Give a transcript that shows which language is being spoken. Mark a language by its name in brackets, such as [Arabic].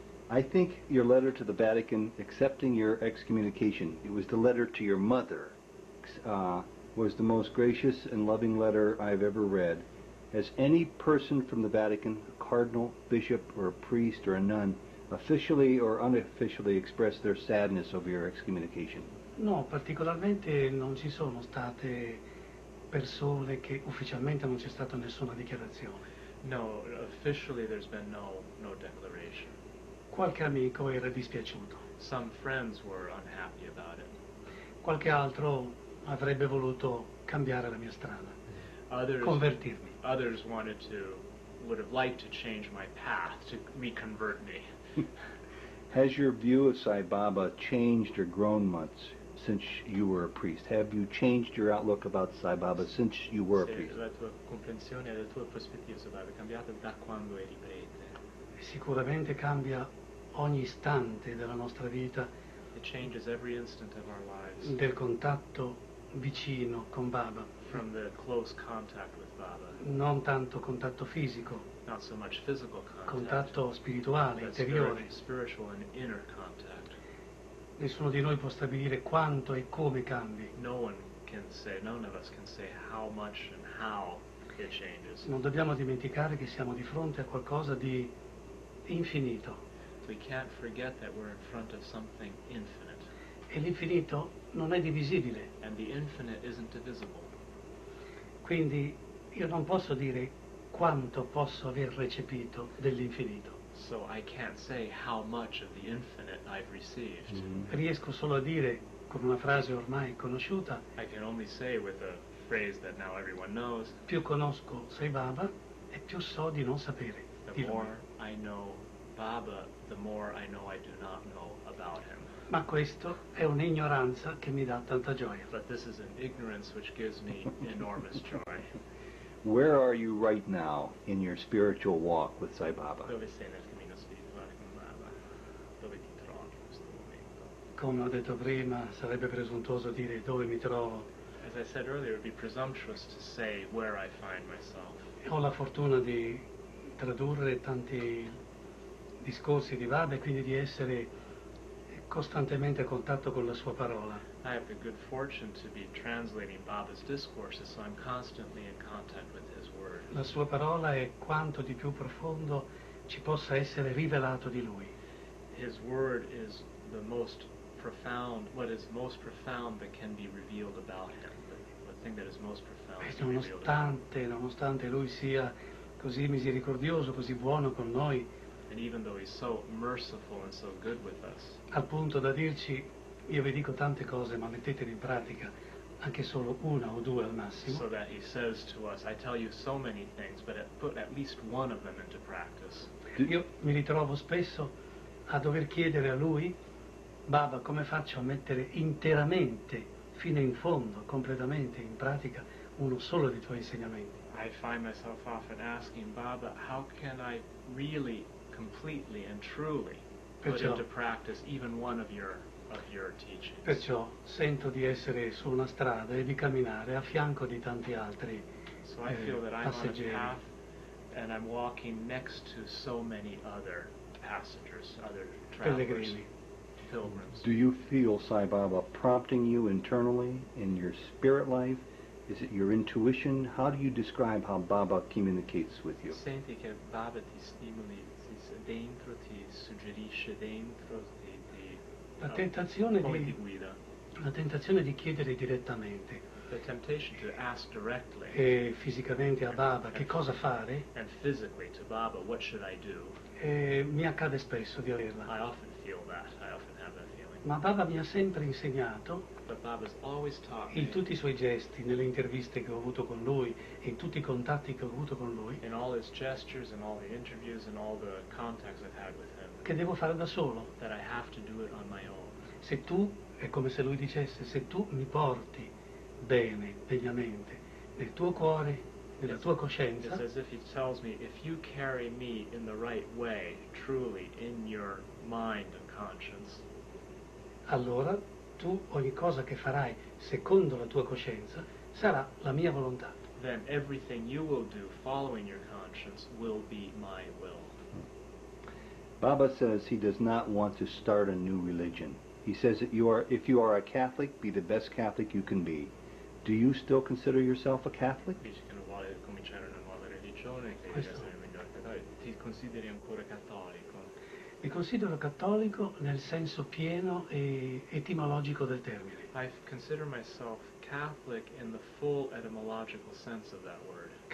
[English] I think your letter to the Vatican accepting your excommunication, it was the letter to your mother, was the most gracious and loving letter I've ever read. Has any person from the Vatican, a cardinal, bishop, or a priest, or a nun, officially or unofficially expressed their sadness over your excommunication? [Italian] No, particolarmente non ci sono state persone che ufficialmente non c'è stata nessuna dichiarazione. [English] No, officially there's been no declaration. [Italian] Qualche amico era dispiaciuto. [English] Some friends were unhappy about it. [Italian] Qualche altro avrebbe voluto cambiare la mia strada. [English] Others, [Italian] convertirmi. [English] Others wanted to, would have liked to change my path, to reconvert me. Has your view of Sai Baba changed or grown much since you were a priest? Have you changed your outlook about Sai Baba since you were a priest? [Italian] La tua comprensione e la tua prospettiva su Baba è cambiata da quando eri prete? Sicuramente cambia ogni istante della nostra vita. [English] It changes every instant of our lives. [Italian] Del contatto vicino con Baba. [English] From the close contact with Baba. [Italian] Non tanto contatto fisico. [English] Not so much physical contact. [Italian] Contatto spirituale, interiore. [English] Spiritual and inner contact. [Italian] Nessuno di noi può stabilire quanto e come cambi. [English] No one can say, none of us can say how much and how it changes. [Italian] Non dobbiamo dimenticare che siamo di fronte a qualcosa di infinito. [English] We can't forget that we're in front of something infinite. [Italian] E l'infinito non è divisibile. [English] And the infinite isn't divisible. [Italian] Quindi io non posso dire quanto posso aver recepito dell'infinito. [English] So I can't say how much of the infinite I've received. Mm-hmm. [Italian] Riesco solo a dire con una frase ormai conosciuta. [English] I can only say with a phrase that now everyone knows. [Italian] Più conosco Sai Baba e più so di non sapere. [English] The more I know Baba, the more I know I do not know about him. [Italian] Ma questo è un'ignoranza che mi dà tanta gioia. [English] But this is an ignorance which gives me enormous joy. Where are you right now in your spiritual walk with Sai Baba? [Italian] Dove sei nel cammino spirituale con Baba? Dove ti trovi in questo momento? Come ho detto prima, sarebbe presuntuoso dire dove mi trovo. [English] As I said earlier, it would be presumptuous to say where I find myself. [Italian] Ho la fortuna di tradurre tanti discorsi di Baba e quindi di essere costantemente a contatto con la sua parola. [English] I have the good fortune to be translating Baba's discourses, so I'm constantly in contact with his word. [Italian] La sua parola è quanto di più profondo ci possa essere rivelato di lui. [English] His word is the most profound, what is most profound that can be revealed about him, the thing that is most profound. [Italian] E nonostante lui sia così misericordioso, così buono con noi, [English] and even though he's so merciful and so good with us, [Italian] al punto da dirci, io vi dico tante cose, ma mettetele in pratica, anche solo una o due al massimo. [English] So that he says to us, I tell you so many things, but put at least one of them into practice. [Italian] Io mi ritrovo spesso a dover chiedere a lui, Baba, come faccio a mettere interamente, fino in fondo, completamente in pratica uno solo dei tuoi insegnamenti? [English] I find myself often asking Baba, how can I really, completely and truly put into practice even one of your teachings? [Italian] Perciò sento di essere su una strada e di camminare a fianco di tanti altri. [English] So I feel that I'm on a path and I'm walking next to so many other passengers, other travelers, [Italian] pellegrini. [English] Pilgrims. Do you feel Sai Baba prompting you internally in your spirit life? Is it your intuition? How do you describe how Baba communicates with you? [Italian] Senti che Baba ti stimoli, ti dentro, ti suggerisce dentro, ti la tentazione come ti guida. La tentazione di chiedere direttamente. [English] The temptation to ask directly. [Italian] E fisicamente a Baba che cosa fare? [English] And physically to Baba, what should I do? [Italian] E mi accade spesso di averla. [English] I often feel that. I often have that feeling. [Italian] Ma Baba mi ha sempre insegnato. [English] But Baba's always taught me. [Italian] In tutti i suoi gesti, nelle interviste che ho avuto con lui, in tutti i contatti che ho avuto con lui. [English] In all his gestures, in all the interviews, in all the contacts I've had with him. [Italian] Che devo fare da solo. [English] That I have to do it on my own. [Italian] Se tu, è come se lui dicesse, se tu mi porti bene, degnamente, nel tuo cuore, nella tua coscienza. [English] It's as if he tells me, if you carry me in the right way, truly, in your mind and conscience. [Italian] Allora, tu, ogni cosa che farai secondo la tua coscienza, sarà la mia volontà. [English] Then everything you will do following your conscience will be my will. Baba says he does not want to start a new religion. He says that if you are a Catholic, be the best Catholic you can be. Do you still consider yourself a Catholic? [Italian] Dice che non vuole cominciare una nuova religione, che deve essere migliore. Ti consideri ancora cattolico? Mi considero cattolico nel senso pieno e etimologico del termine. [English] I consider myself Catholic in the full etymological sense of that word.